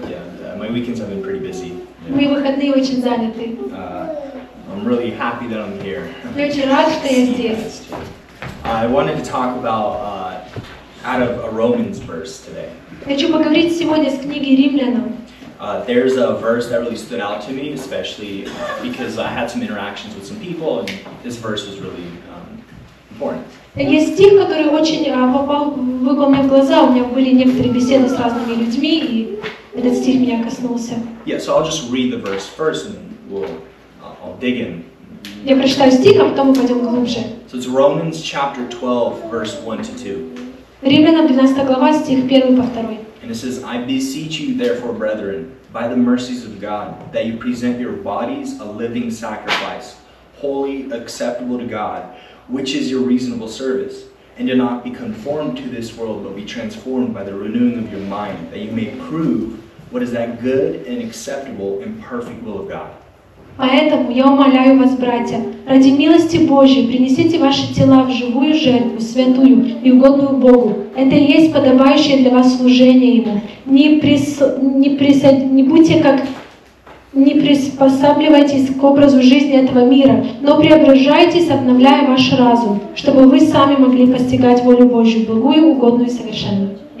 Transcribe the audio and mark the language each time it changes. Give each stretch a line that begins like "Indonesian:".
English: Yeah, my weekends have been pretty busy.
Russian: Мои выходные очень заняты.
English: I'm really happy that I'm here.
Russian: Я очень рад, что я здесь.
English: I wanted to talk about. Out of a Romans verse today.
Russian: Хочу поговорить сегодня с книги Римлянам.
English: There's a verse that really stood out to me, especially because I had some interactions with some people, and this verse was really important.
Russian: Есть стих, который очень выпал мне в глаза. У меня были некоторые беседы с разными людьми, и этот стих меня коснулся.
English: Yeah, so I'll just read the verse first, and I'll dig in.
Russian: Я прочитаю стих, а потом мы пойдем глубже.
English: So it's Romans chapter 12, verse 1-2.
Russian: Римлянам 12 глава, стих 1 по 2.
English: And it says, I beseech you, therefore, brethren, by the mercies of God, that you present your bodies a living sacrifice, holy, acceptable to God, which is your reasonable service. And do not be conformed to this world, but be transformed by the renewing of your mind, that you may prove what is that good and acceptable and perfect will of God.
Russian: Поэтому я умоляю вас, братья, ради милости Божьей, принесите ваши тела в живую жертву, святую и угодную Богу. Это и есть подобающее для вас служение Ему. Не будьте как Не приспосабливайтесь к образу жизни этого мира, но преображайтесь, обновляя ваш разум, чтобы вы сами могли постигать волю Божью, благую, угодную и совершенную.